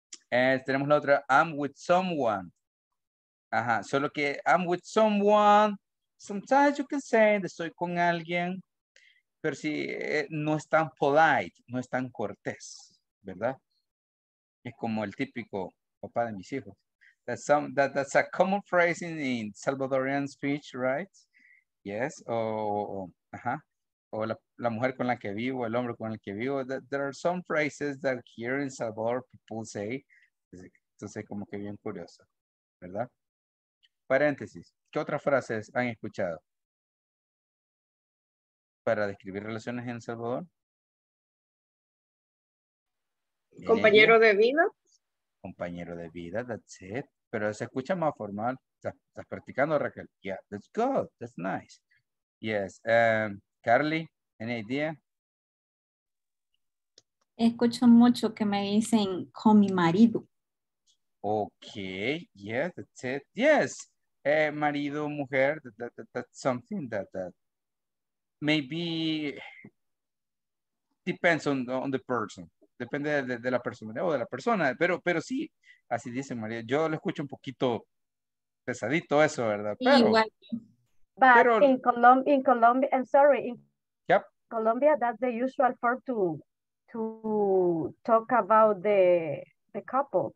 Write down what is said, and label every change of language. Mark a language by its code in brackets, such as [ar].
[es] Tenemos la otra, [en] I'm with someone. [es] Ajá, solo que I'm with someone. [en] Sometimes you can say that [es] estoy con alguien, pero si no es tan polite, no es tan cortés, ¿verdad? Es como el típico papá de mis hijos. [en] That's a common phrase in Salvadorian speech, right? [es] Yes, la mujer con la que vivo, el hombre con el que vivo. [en] There are some phrases that here in Salvador people say. [es] Entonces, como que bien curioso, ¿verdad? Paréntesis. ¿Qué otras frases han escuchado para describir relaciones en El Salvador? Compañero de vida. Compañero de vida, [en] that's it. [es] Pero se escucha más formal. ¿Estás practicando, [en] Raquel? Yeah, that's good. That's nice. Yes. Carly. ¿Any idea? [es] Escucho mucho que me dicen con mi marido. [en] Okay, yeah, that's it. Yes, marido, mujer, that's something that maybe depends on the person. [es] Depende de la persona o de la persona, pero sí, así dicen, María. Yo lo escucho un poquito pesadito eso, ¿verdad? Pero, igual. [en] Pero in Colombia, I'm sorry, Colombia, that's the usual form to talk about the couple.